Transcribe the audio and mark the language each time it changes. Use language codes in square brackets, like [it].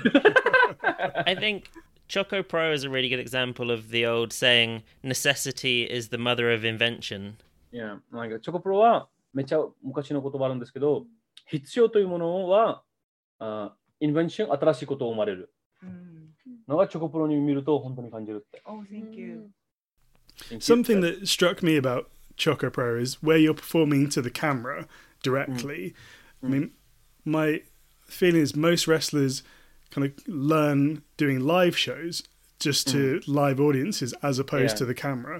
[en] it? I think Choco Pro is a really good example of the old saying, necessity is the mother of invention. Yeah, like Choco Pro is... [ja] めっちゃ昔の言葉あるんですけど、必要というものは、インベンション、新しいことを生まれる。のがチョコプロに見ると本当に感じるって。 [en] Oh, thank you. Something that struck me about Choco Pro is where you're performing to the camera directly. I mean, my feeling is most wrestlers kind of learn doing live shows just to live audiences as opposed to the camera.